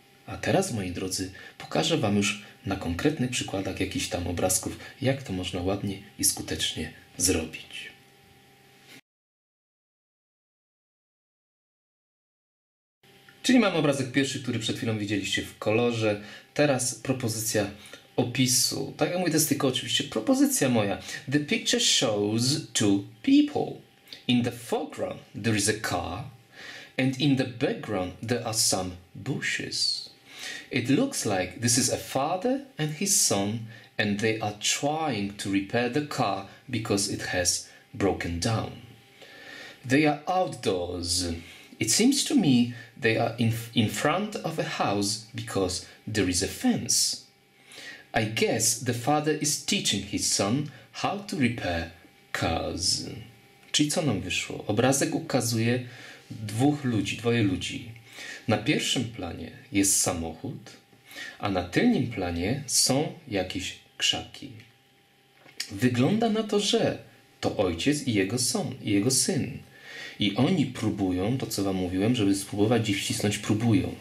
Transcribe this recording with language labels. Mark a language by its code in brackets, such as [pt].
[pl] A teraz, moi drodzy, pokażę wam już na konkretnych przykładach jakichś tam obrazków, jak to można ładnie i skutecznie zrobić. Czyli mam obrazek pierwszy, który przed chwilą widzieliście w kolorze. Teraz propozycja opisu. Tak jak mówię, to jest tylko oczywiście propozycja moja. [en] The picture shows two people. In the foreground there is a car and in the background there are some bushes. It looks like this is a father and his son and they are trying to repair the car because it has broken down. They are outdoors. It seems to me they are in front of a house because there is a fence. I guess the father is teaching his son how to repair cars. [pl] Czyli co nam wyszło? Obrazek ukazuje dwoje ludzi. Na pierwszym planie jest samochód, a na tylnym planie są jakieś krzaki. Wygląda na to, że to ojciec i jego syn. I oni próbują, to co wam mówiłem, żeby spróbować gdzieś wcisnąć, próbują.